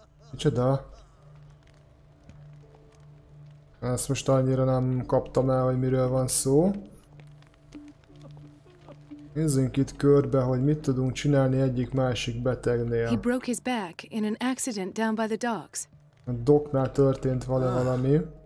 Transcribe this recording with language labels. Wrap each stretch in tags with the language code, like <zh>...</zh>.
<hu>Micsoda? Ezt most annyira nem kaptam el, hogy miről van szó. Nézzünk itt körbe, hogy mit tudunk csinálni egyik másik betegnél.</hu> <en>He broke his back in an accident down by the docks.</en> <hu>A docknál történt vele valami.</hu>